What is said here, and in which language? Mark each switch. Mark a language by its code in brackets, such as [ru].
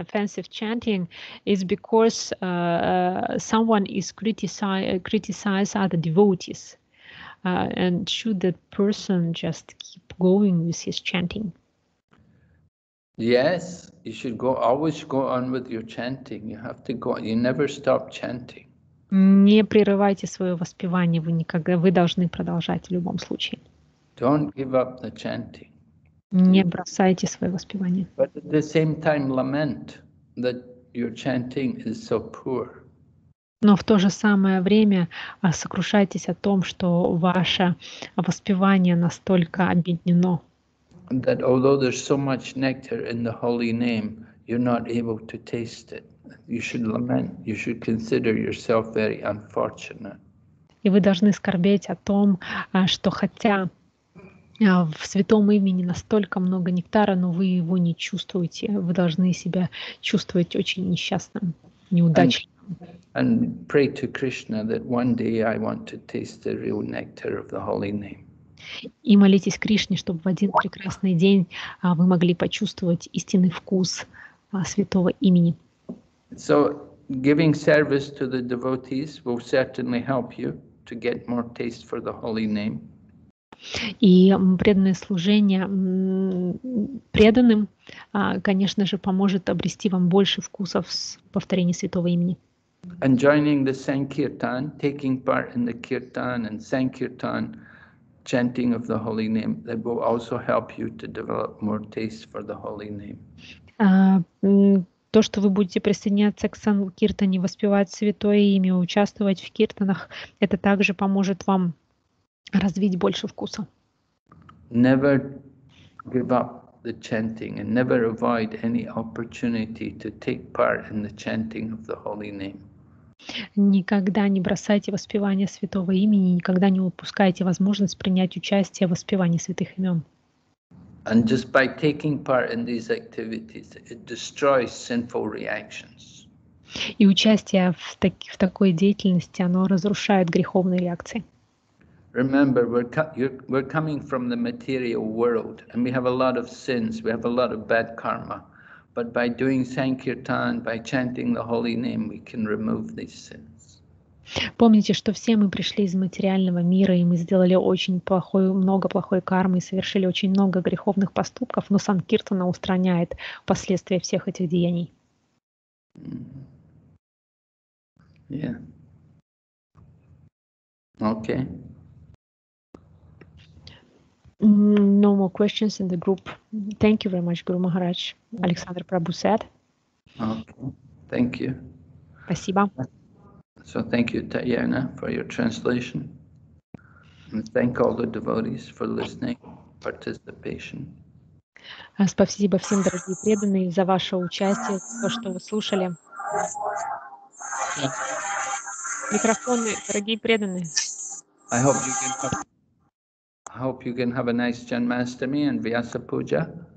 [en] Offensive chanting is because someone is criticize other devotees. And should that person just keep going with his chanting? Yes, you should go, always go on with your chanting. You have to go, you never stop chanting. [ru] Не прерывайте свое воспевание, вы никогда, вы должны продолжать в любом случае. [en] Don't give up the chanting. [ru] Не бросайте свое воспевание. [en] But at the same time lament that your chanting is so poor. [ru] Но в то же самое время сокрушайтесь о том, что ваше воспевание настолько обеднено. [en] That although there's so much nectar in the holy name, you're not able to taste it. You should lament. You should consider yourself very unfortunate. [ru] И вы должны скорбеть о том, что хотя в святом имени настолько много нектара, но вы его не чувствуете. Вы должны себя чувствовать очень несчастным, неудачным. [en] And pray to Krishna that one day I want to taste the real nectar of the holy name. [ru] И молитесь Кришне, чтобы в один прекрасный день вы могли почувствовать истинный вкус святого имени. [en] So giving service to the devotees will certainly help you to get more taste for the holy name. [ru] И преданное служение преданным, конечно же, поможет обрести вам больше вкусов с повторения святого имени. [en] And joining the Sankirtan, taking part in the Kirtan and Sankirtan chanting of the holy name, that will also help you to develop more taste for the holy name. [ru] То, что вы будете присоединяться к Санкиртане, воспевать святое имя, участвовать в киртанах, это также поможет вам развить больше вкуса. [en] Never give up the chanting and never avoid any opportunity to take part in the chanting of the holy name. [ru] Никогда не бросайте воспевание святого имени, никогда не упускайте возможность принять участие в воспевании святых имен. [en] And just by taking part in these activities, it destroys sinful reactions. [ru] И участие в такой деятельности, оно разрушает греховные реакции. [en] Remember, we're coming from the material world, and we have a lot of sins, we have a lot of bad karma. But by doing Sankirtan, by chanting the holy name, we can remove these sins. [ru] Помните, что все мы пришли из материального мира, и мы сделали очень плохой, много плохой кармы, и совершили очень много греховных поступков, но Санкиртана устраняет последствия всех этих деяний. [en] Yeah. Okay. No more questions in the group. Thank you very much, Guru Maharaj. Alexander Prabhu said. Okay. Thank you. [ru] Спасибо. [en] So thank you, Tatiana, for your translation. And thank all the devotees for listening, participation. [ru] Спасибо всем, дорогие преданные, за ваше участие, за то, что вы слушали. Микрофоны, дорогие преданные. [en] I hope you can help. I hope you can have a nice Janmashtami and Vyasa Puja.